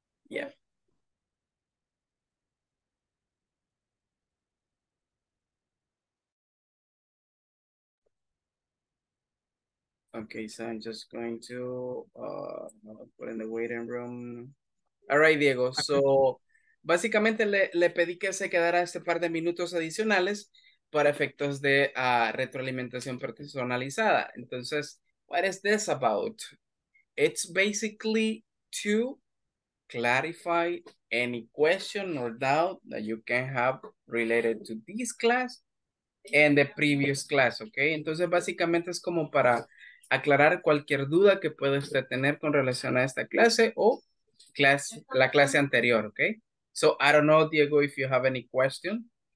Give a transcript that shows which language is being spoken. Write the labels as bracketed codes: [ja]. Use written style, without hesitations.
[en] Yeah. Okay, so I'm just going to put in the waiting room. All right, Diego. [es] So, básicamente le pedí que se quedara este par de minutos adicionales para efectos de retroalimentación personalizada. [en] Entonces, what is this about? It's basically to clarify any question or doubt that you can have related to this class and the previous class, okay? [es] Entonces, básicamente es como para aclarar cualquier duda que pueda usted tener con relación a esta clase o la clase anterior, okay? [en] So, I don't know, Diego, if you have any question.